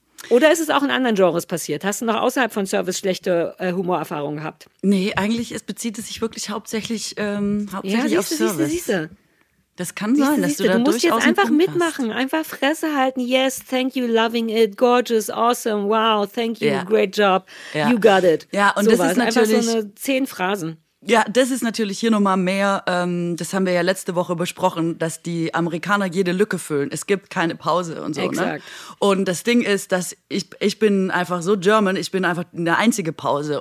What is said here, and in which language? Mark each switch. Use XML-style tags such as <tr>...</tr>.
<de>Oder ist es auch in anderen Genres passiert? Hast du noch außerhalb von Service schlechte Humorerfahrungen gehabt? Nee, eigentlich bezieht es sich wirklich hauptsächlich auf Service. Siehste. Das kann sein, dass du da durchaus musst jetzt einfach mitmachen, einfach Fresse halten.</de> <en>Yes, thank you, loving it, gorgeous, awesome, wow, thank you, great job, you got it.</en> <de>Ja, und so das ist natürlich einfach so 10 Phrasen. Ja, das ist natürlich hier nochmal mehr, das haben wir ja letzte Woche besprochen, dass die Amerikaner jede Lücke füllen. Es gibt keine Pause und so. Exakt. Ne? Und das Ding ist, dass ich bin einfach so German, ich bin einfach eine einzige Pause.</de>